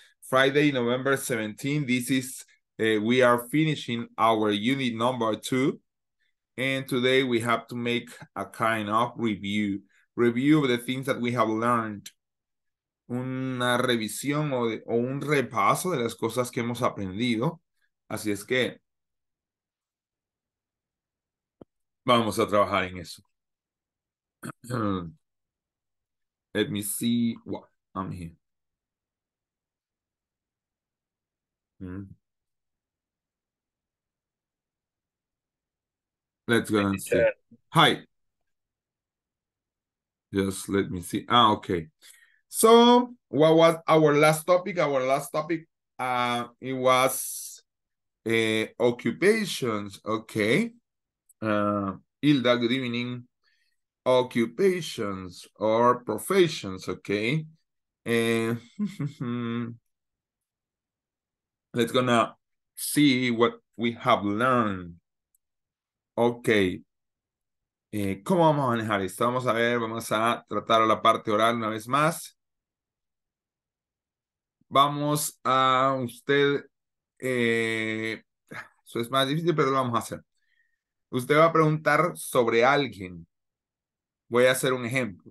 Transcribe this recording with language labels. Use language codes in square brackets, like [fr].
[en] Friday, November 17, this is, we are finishing our unit number 2. And today we have to make a kind of review. Review of the things that we have learned. [es] Una revisión o un repaso de las cosas que hemos aprendido. Así es que, vamos a trabajar en eso. [en] Let me see what I'm here. Let's go and see. Hi. Just let me see. Ah, okay. So, what was our last topic? Our last topic, it was occupations. Okay. Hilda, good evening. Occupations or professions, okay? let's gonna see what we have learned. Okay. [es] ¿Cómo vamos a manejar esto? Vamos a ver, vamos a tratar la parte oral una vez más. Vamos a usted, eso es más difícil, pero lo vamos a hacer. Usted va a preguntar sobre alguien. Voy a hacer un ejemplo.